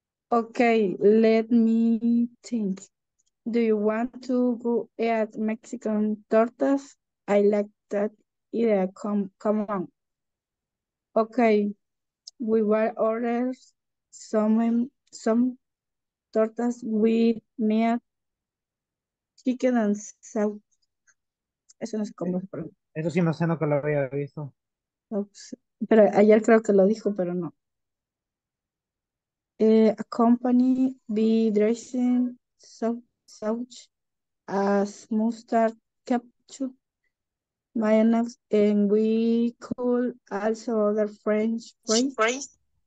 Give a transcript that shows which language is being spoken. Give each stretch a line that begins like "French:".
English: Okay, let me think. Do you want to go eat Mexican tortas? I like that idea. Come on. Okay, we will order some tortas with meat, chicken and salt.
Spanish: Eso no sé cómo se pronuncia. Eso sí, no sé, no que lo había visto. Oops. Pero ayer creo que lo dijo, pero no.
English: Accompany the dressing such as mustard, ketchup, mayonnaise, and we could also order French fries.